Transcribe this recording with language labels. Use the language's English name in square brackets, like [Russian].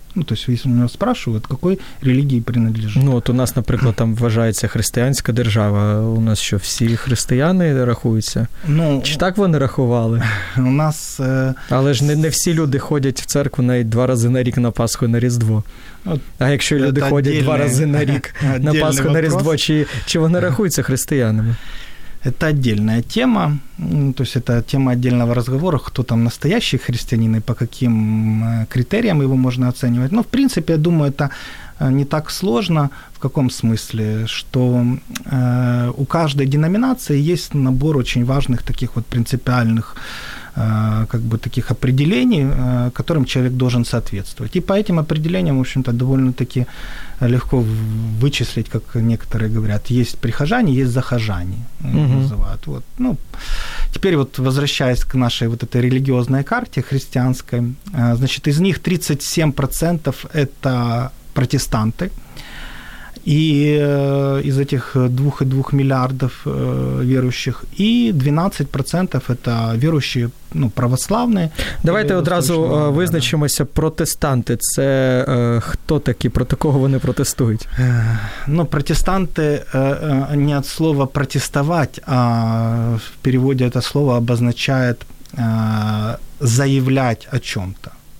[Russian] Ну, то есть, если у него спрашивают, какой религии принадлежит. [Ukrainian] Ну, от у нас, наприклад, там вважається християнська держава. У нас що, всі християни рахуються? Ну, чи так вони рахували? У нас... Але ж не всі люди ходять в церкву навіть два рази на рік на Пасху і на Різдво. А якщо люди ходять два рази на рік на Пасху, на Різдво, чи вони рахуються християнами? [Russian] Это отдельная тема, ну, то есть это тема отдельного разговора, кто там настоящий христианин и по каким критериям его можно оценивать. Но, в принципе, я думаю, это не так сложно. В каком смысле? Что у каждой деноминации есть набор очень важных таких вот принципиальных как бы таких определений, которым человек должен соответствовать. И по этим определениям, в общем-то, довольно-таки легко вычислить, как некоторые говорят, есть прихожане, есть захожане, угу, называют. Вот. Ну, теперь вот возвращаясь к нашей вот этой религиозной карте христианской, значит, из них 37% – это протестанты. И из этих 2,2 миллиардов верующих, и 12% – это верующие, ну, православные. [Ukrainian] Давайте одразу визначимося, протестанти – це хто такі, про такого вони протестують? [Russian] Ну, протестанти не от слова «протестовать», а в переводе это слово обозначает «заявлять о чем-то».